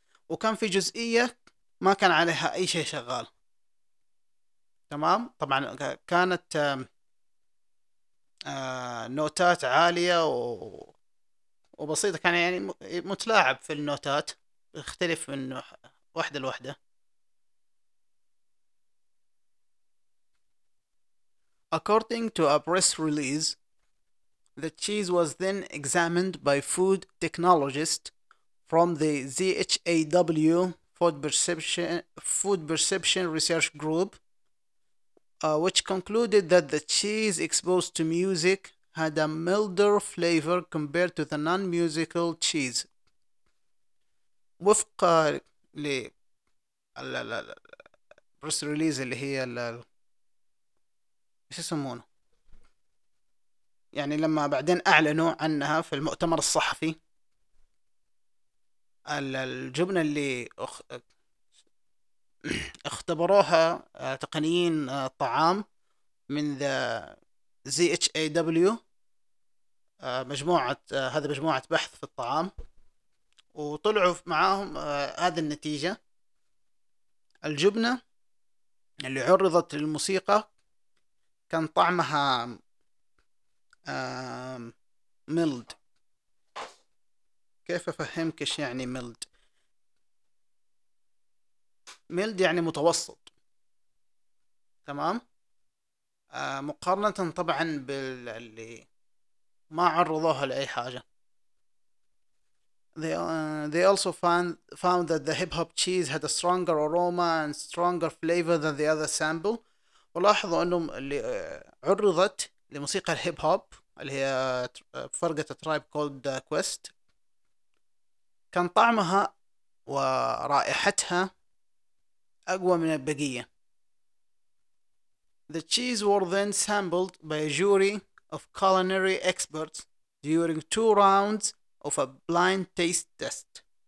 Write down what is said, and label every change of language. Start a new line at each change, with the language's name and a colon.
Arabic: وكان في جزئية ما كان عليها أي شيء شغال, تمام, طبعا كانت نوتات عالية وبسيطة, كان يعني متلاعب في النوتات يختلف من واحدة لواحدة.
English: According to a press release, the cheese was then examined by food technologists from the ZHAW Food Perception Research Group, which concluded that the cheese exposed to music had a milder flavor compared to the non-musical cheese.
Arabic: وفق ل البريس ريليز اللي هي ايش يسمونه, يعني لما بعدين اعلنوا عنها في المؤتمر الصحفي, الجبنه اللي اختبروها تقنيين طعام من ذا زي اتش اي دبليو, مجموعه بحث في الطعام, وطلعوا معاهم هذه النتيجه. الجبنه اللي عرضت للموسيقى كان طعمها ميلد. كيف أفهمك إيش يعني ميلد؟ ميلد يعني متوسط, تمام, مقارنة طبعا باللي ما عرضوها لأي حاجة.
English: They also found that the hip hop cheese had a stronger aroma and stronger flavor than the other sample.
Arabic: ولاحظوا انهم اللي عرضت لموسيقى الهيب هوب اللي هي فرقة Tribe Called Quest كان طعمها ورائحتها اقوى من البقية.
English: The cheese were then sampled by a jury of culinary experts during two rounds of a blind taste test.